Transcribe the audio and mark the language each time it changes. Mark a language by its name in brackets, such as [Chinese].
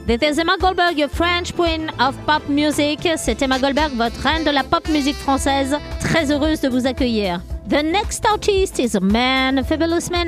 [English] This is Emma Goldberg, your French queen of pop music. [French] C'est Emma Goldberg, votre reine de la pop musique française. Très heureuse de vous accueillir. [English] The next artist is a man, a fabulous man.